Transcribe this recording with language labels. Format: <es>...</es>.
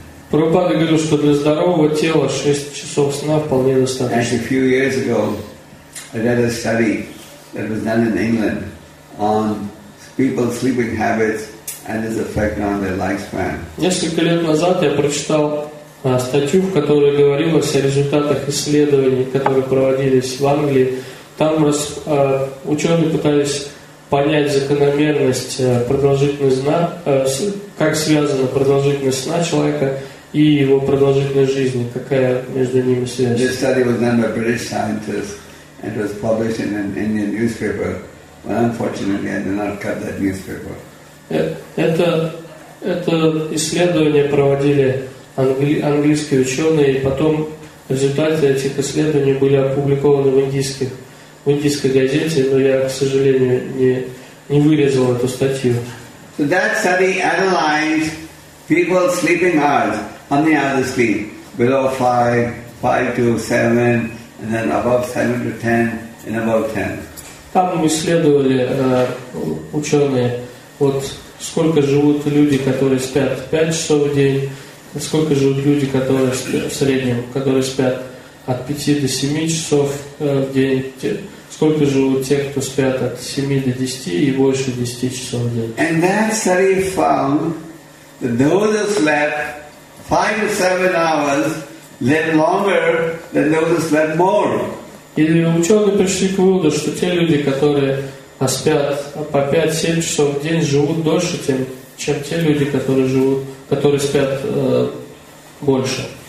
<ru>Прабхупада говорил, что для здорового тела 6 часов сна вполне достаточно.</ru> <en>Actually, a few years ago, I read a study that was done in England on people's sleeping habits and its effect on their lifespan.</en> <ru>Несколько лет назад я прочитал статью, в которой говорилось о результатах исследований, которые проводились в Англии. Там ученые пытались понять закономерность продолжительности сна, как связана продолжительность сна человека и его продолжительность жизни, какая между ними связь.</ru> <en>This study was done by British scientists and was published in an Indian newspaper, but unfortunately I did not cut that newspaper.</en> <ru>Это исследование проводили английские ученые, и потом результаты этих исследований были опубликованы в индийской газете, но я, к сожалению, не вырезал эту статью.</ru> <en>So that study analyzed people's sleeping hours, how many hours they sleep, below 5 to 7, and then above 7 to 10, and above 10.</en> <ru>Там исследовали ученые, вот сколько живут люди, которые спят 5 часов в день, сколько живут люди, которые в среднем, которые спят от 5 до 7 часов в день, сколько живут те, кто спят от 7 до 10 и больше 10 часов в день.</ru> <en>And that study found that those who slept 5 to 7 hours live longer, then those who slept more.</en> <ru>Или ученые пришли к выводу, что те люди, которые спят по 5-7 часов в день, живут дольше, чем те люди, которые спят больше.</ru>